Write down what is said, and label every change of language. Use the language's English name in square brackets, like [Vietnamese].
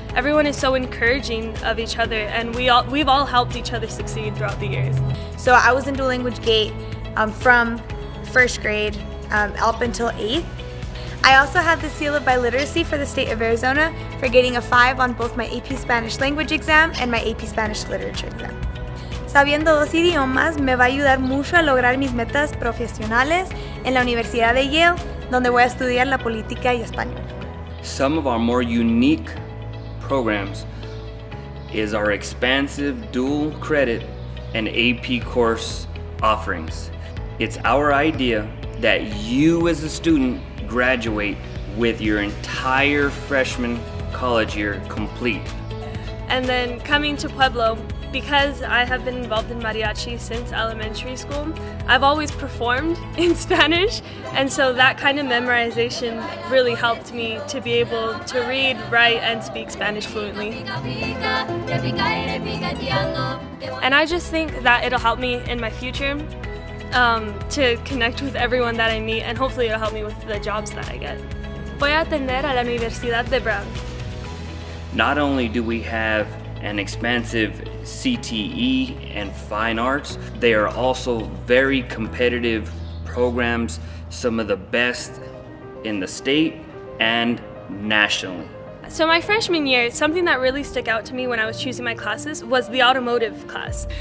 [English] Everyone is so encouraging of each other, and we've all helped each other succeed throughout the years. So I was in dual language gate from first grade up until eighth. I also have the seal of biliteracy for the state of Arizona for getting a 5 on both my AP Spanish language exam and my AP Spanish literature exam. [Spanish] Sabiendo dos idiomas me va a ayudar mucho a lograr mis metas profesionales en la Universidad de Yale, donde voy a estudiar la política y español. [English] Some of our more unique programs is our expansive dual credit and AP course offerings. It's our idea that you as a student graduate with your entire freshman college year complete. And then coming to Pueblo, because I have been involved in mariachi since elementary school, I've always performed in Spanish, and so that kind of memorization really helped me to be able to read, write, and speak Spanish fluently. And I just think that it'll help me in my future to connect with everyone that I meet, and hopefully it'll help me with the jobs that I get. [Spanish] Voy a atender a la Universidad de Brown. [English] Not only do we have an expansive CTE and fine arts, they are also very competitive programs, some of the best in the state and nationally. So my freshman year, something that really stuck out to me when I was choosing my classes was the automotive class.